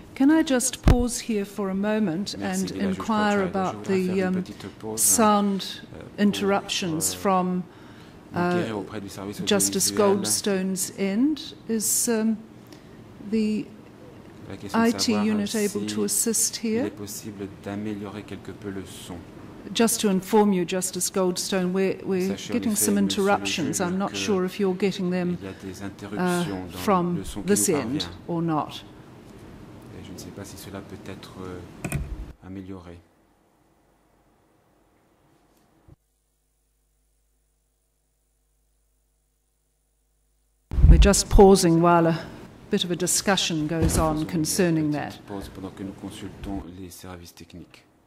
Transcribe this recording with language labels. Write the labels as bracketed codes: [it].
[en] Can I just pause here for a moment and inquire about the sound interruptions from Justice Goldstone's end? Is the IT unit able to assist here? [fr] Il est possible d'améliorer quelque peu le son. [en] Just to inform you, Justice Goldstone, we're getting some interruptions. I'm not sure if you're getting them from this end or not. [fr] Je ne sais pas si cela peut être amélioré. [en] We're just pausing while a bit of a discussion goes on concerning that. [fr] Pause pendant que nous consultons les services techniques.